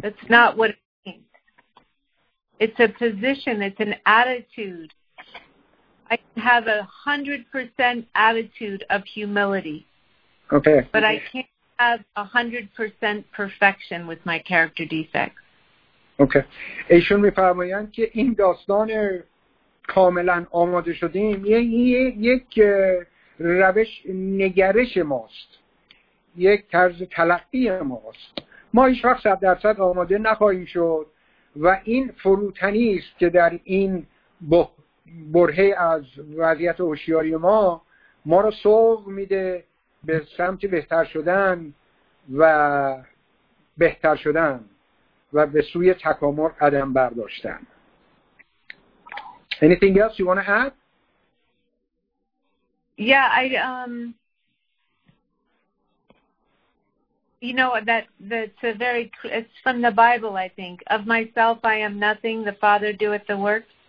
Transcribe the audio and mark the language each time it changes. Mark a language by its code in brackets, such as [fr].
[en] That's not what it means. It's a position. It's an attitude. I have a 100% attitude of humility. Okay. But I can't have 100% perfection with my character defects. Okay. [fa] ایشون می‌فرمایند که این داستان کاملا آماده شدیم یک روش نگرش ماست، یک طرز تلقی ماست. ما هیچ وقت 100% آماده نخواهیم شد و این فروتنی است که در این برهه از وضعیت هوشیاری ما را سوق میده به سمت بهتر شدن و بهتر شدن و به سوی تکامل قدم برداشتن. [en] Anything else you want to add? Yeah, I you know that's a very, it's from the Bible, I think. Of myself I am nothing, the Father doeth the work.